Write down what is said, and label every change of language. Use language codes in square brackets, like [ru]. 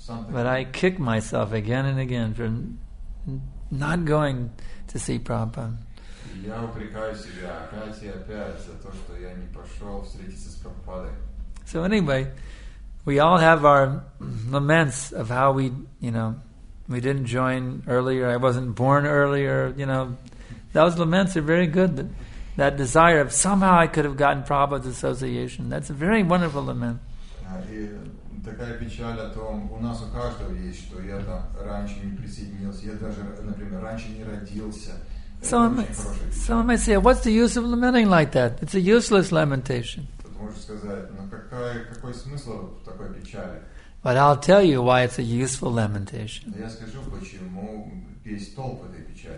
[en] But I kick myself again and again for not going to see Prabhupada. [ru] Я упрекаю себя опять и опять за то, что я не пошел встретиться с Прабхупадой. [en] So anyway, we all have our laments of how we, you know, we didn't join earlier, I wasn't born earlier, you know. Those laments are very good, but that desire of somehow I could have gotten Prabhupada's association. That's a very wonderful lament. [ru] Такая печаль о том, у нас у каждого есть, что я там раньше не присоединился, я даже, например, раньше не родился. [en] Someone might say, what's the use of lamenting like that? It's a useless lamentation. [ru] Какой смысл в такой печали? [en] But I'll tell you why it's a useful lamentation. [ru] Я скажу, почему есть толк в этой печали.